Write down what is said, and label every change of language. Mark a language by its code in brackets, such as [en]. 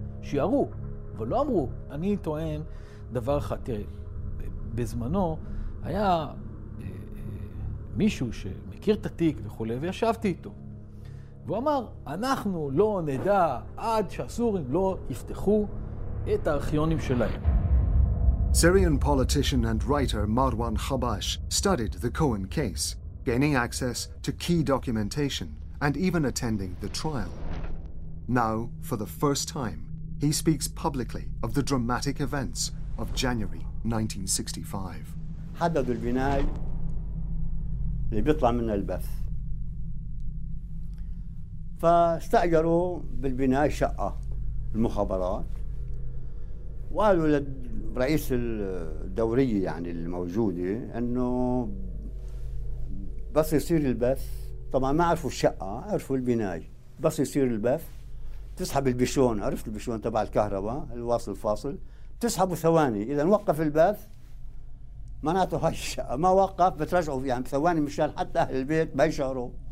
[he] שערו, אבל לא אמרו. אני טוען דבר אחד, תראה, בזמנו היה מישהו שמכיר את התיק וכו', וישבתי איתו. והוא אמר, אנחנו לא נדע עד שהסורים לא יפתחו את הארכיונים שלהם. [en] Syrian politician and writer Marwan Khabash studied the Cohen case, gaining access to key documentation and even attending the trial. Now, for the first time, he speaks publicly of the dramatic events of January 1965. [ar] حدد البناي اللي بيطلع من البث. فاستأجروا بالبناي شقة المخابرات وقالوا رئيس الدورية يعني الموجودة أنه بس يصير البث طبعا ما عرفوا الشقة عرفوا البناية بس يصير البث تسحب البشون عرفت البشون تبع الكهرباء الواصل الفاصل تسحبوا ثواني إذا نوقف البث معناته هاي الشقة ما وقف بترجعوا يعني بثواني مشان حتى أهل البيت ما يشعروا.